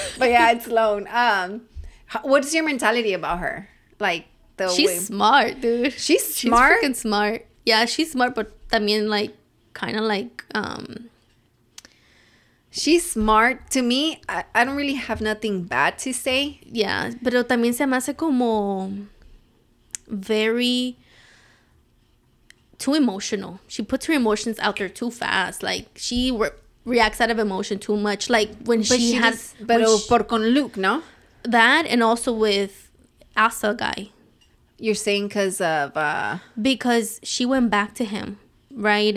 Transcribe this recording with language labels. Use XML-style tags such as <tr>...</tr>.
<en>But yeah, it's Sloan. What's your mentality about her? Like, She's smart, dude. She's freaking smart. Yeah, she's smart, but I mean, like, kind of like, she's smart. To me, I don't really have nothing bad to say.</en> <es>Yeah, pero también se me hace como</es> <en>very too emotional. She puts her emotions out there too fast. Like, she reacts out of emotion too much. Like,</en> <es>con Luke, no?</es> <en>That and also with Asa guy. You're saying because of... Because she went back to him, right?</en>